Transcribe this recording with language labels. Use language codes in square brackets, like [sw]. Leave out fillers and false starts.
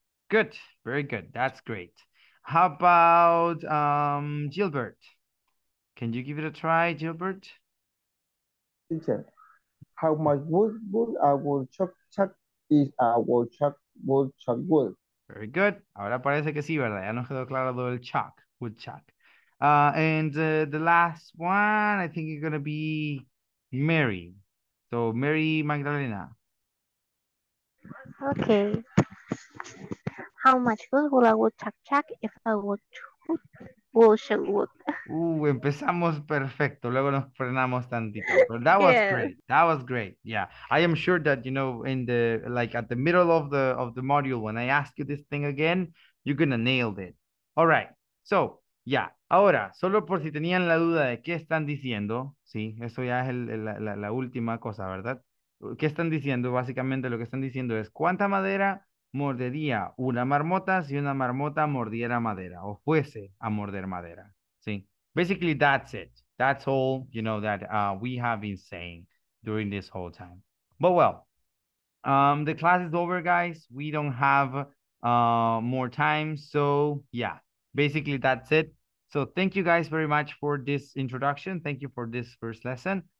[en] Good. Very good. That's great. How about Gilbert? Can you give it a try, Gilbert? Teacher. How much wood I will chuck is a woodchuck wood. Very good. [es] Ahora parece que sí, ¿verdad? Ya nos quedó claro lo del chuck, woodchuck. [en] And the last one, I think it's going to be Mary. So, Mary Magdalena. Okay. How much wood will I chuck if I woodchuck wood? [es] Empezamos perfecto, luego nos frenamos tantito, [en] but that was great, that was great. Yeah, I am sure that, you know, in the, like, at the middle of the module, when I ask you this thing again, you're gonna nail it. All right, so, yeah, [es] ahora, solo por si tenían la duda de qué están diciendo, sí, eso ya es la última cosa, ¿verdad? ¿Qué están diciendo? Básicamente lo que están diciendo es, ¿cuánta madera mordería una marmota si una marmota mordiera madera o fuese a morder madera? [en] See, basically that's it. That's all, you know, that we have been saying during this whole time. But well, the class is over, guys. We don't have more time. So yeah, basically that's it. So thank you guys very much for this introduction. Thank you for this first lesson.